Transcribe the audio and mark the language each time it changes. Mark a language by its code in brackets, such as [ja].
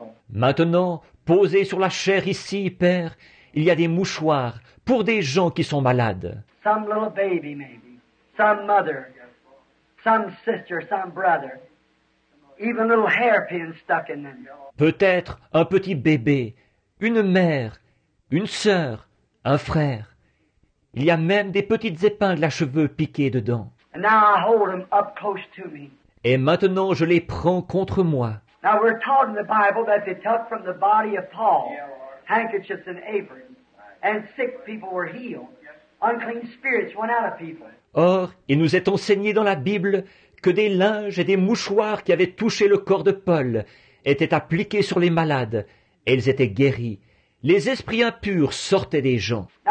[fr] Maintenant, posé sur la chaire ici, Père, il y a des mouchoirs pour des gens qui sont malades. [en] Some little baby, maybe. Some mother. Some sister, some brother. Even little hairpins stuck in them. [fr] Peut-être un petit bébé, une mère, une sœur, un frère. Il y a même des petites épingles à cheveux piquées dedans. [en] And now I hold them up close to me. [fr] Et maintenant je les prends contre moi. [en] Now we're taught in the Bible that they took from the body of Paul handkerchiefs and aprons, and sick people were healed. Unclean spirits went out of people. [fr] Or, il nous est enseigné dans la Bible que des linges et des mouchoirs qui avaient touché le corps de Paul étaient appliqués sur les malades, et ils étaient guéris. Les esprits impurs sortaient des gens.